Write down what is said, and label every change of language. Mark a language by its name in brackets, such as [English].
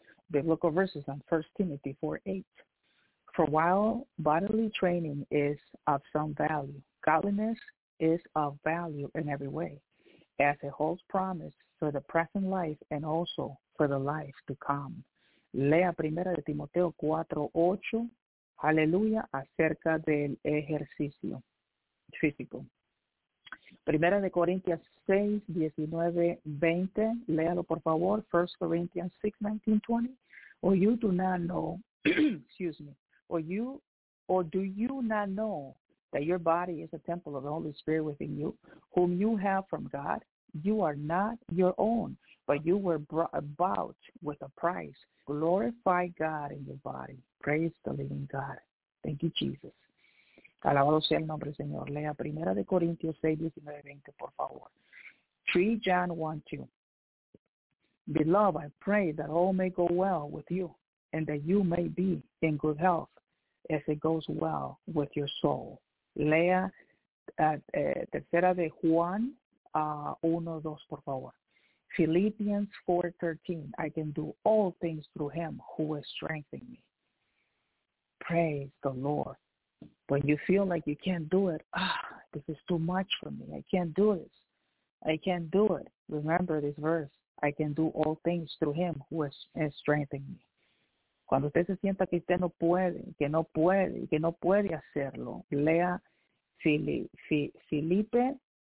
[English] Biblical verses on 1 Timothy 4:8. For while bodily training is of some value, godliness is of value in every way, as it holds promise for the present life and also for the life to come. [Spanish] Lea Primera de Timoteo 4:8, aleluya, acerca del ejercicio físico. Primera de Corintios 6:19-20, léalo por favor. [English] 1 Corinthians 6:19-20. Or you do not know, excuse me, or do you not know that your body is a temple of the Holy Spirit within you, whom you have from God? You are not your own, but you were brought about with a price. Glorify God in your body. Praise the living God. Thank you, Jesus. [Spanish] Alabado sea el nombre, Señor. Lea Primera de Corintios 6:19-20, por favor. 3 John 1:2. [English] Beloved, I pray that all may go well with you and that you may be in good health as it goes well with your soul. [Spanish] Lea Tercera de Juan 1:2, por favor. [English] Philippians 4:13, I can do all things through him who is strengthening me. Praise the Lord. When you feel like you can't do it, this is too much for me. I can't do this. I can't do it. Remember this verse. I can do all things through him who is strengthening me. [Spanish] Cuando usted se sienta que usted no puede, que no puede, que no puede hacerlo, lea Philippians.